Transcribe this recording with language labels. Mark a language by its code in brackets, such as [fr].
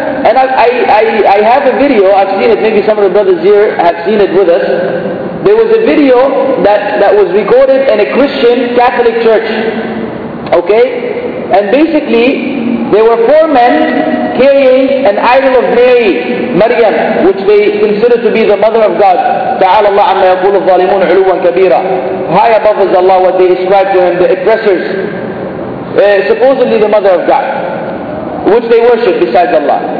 [en] And I have a video, I've seen it, maybe some of the brothers here have seen it with us. There was a video that was recorded in a Christian Catholic church. Okay? And basically, there were four men carrying an idol of Mary, Maryam, which they consider to be the mother of God. [ar] تعالى الله عما يقول الظالمون علوا كبيرا. [en] High above is Allah, what they ascribe to him, the oppressors. Supposedly the mother of God, which they worship besides Allah.